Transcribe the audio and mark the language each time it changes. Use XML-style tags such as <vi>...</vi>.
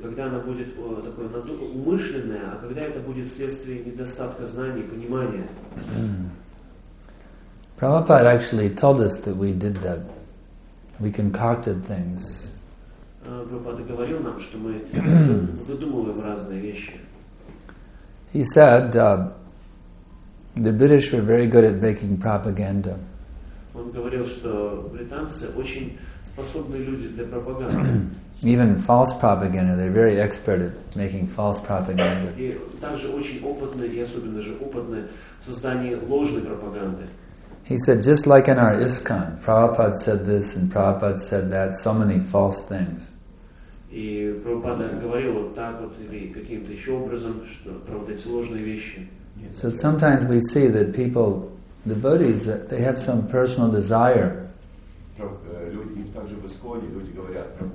<ru>Когда она будет такое умышленное, а когда это будет следствие недостатка знаний, понимания?</ru> <en>Prabhupada actually told us that we did that. We concocted things.</en> <ru>Prabhupada говорил нам, что мы выдумываем разные вещи.</ru> <en>He said the British were very good at making propaganda.</en> <ru>Он говорил, что британцы очень способные люди для пропаганды.</ru> <en>Even false propaganda, they're very expert at making false propaganda.</en> <ru>И также очень опытные, и особенно же опытные в создании ложной пропаганды.</ru> <en>He said, just like in our ISKCON, Prabhupada said this and Prabhupada said that, so many false things.</en> <ru>И Прабхупада говорил вот так вот или каким-то еще образом, что правда эти ложные вещи.</ru> <en>So sometimes we see that people, devotees, they have some personal desire.</en> <ru>Люди также в исходе, люди говорят,</ru>